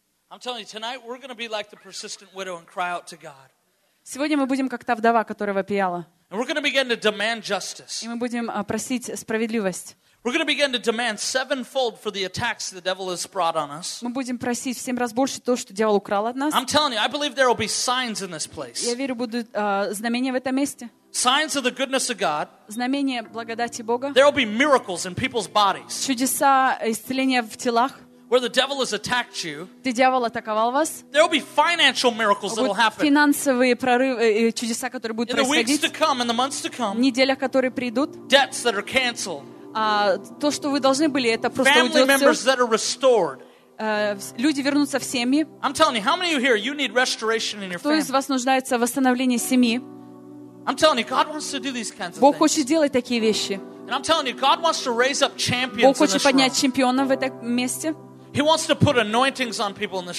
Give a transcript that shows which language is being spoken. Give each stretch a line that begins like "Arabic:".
English: I'm telling you, tonight we're going to be like the persistent widow and cry out to God.
Russian: Сегодня мы будем как та вдова, которая вопияла.
English: And we're going to begin to demand justice.
Russian: И мы будем просить справедливость.
English: We're going to begin to demand sevenfold for the attacks the devil has brought on us.
Russian: Мы будем просить в 7 раз больше то, что дьявол украл от нас.
English: I'm telling you, I believe there will be signs in this place.
Russian: Я верю, будут знамения в этом месте.
English: Signs of the goodness of God.
Russian: Знамения благодати Бога.
English: There will be miracles in people's bodies.
Russian: Чудеса исцеления в телах.
English: where the devil has attacked you,
Russian: де дьявол атаковал вас,
English: there will be financial miracles that will happen.
Russian: Финансовые прорывы, чудеса, которые будут происходить.
English: In the weeks to come, in the months to come.
Russian: В неделях, которые придут.
English: Debts that are canceled.
Russian: То, что вы должны были, это просто уйдет все.
English: Family members that are restored.
Russian: Люди вернутся в семьи.
English: I'm telling you, how many of you here, you need restoration in your family?
Russian: Кто из вас нуждается в восстановлении семьи?
English: I'm telling you, God wants to do these kinds of things.
Russian: Бог хочет делать такие вещи.
English: And I'm telling you, God wants to raise up champions.
Russian: Бог хочет поднять чемпионов в этом месте.
English: He wants to put anointings on people in this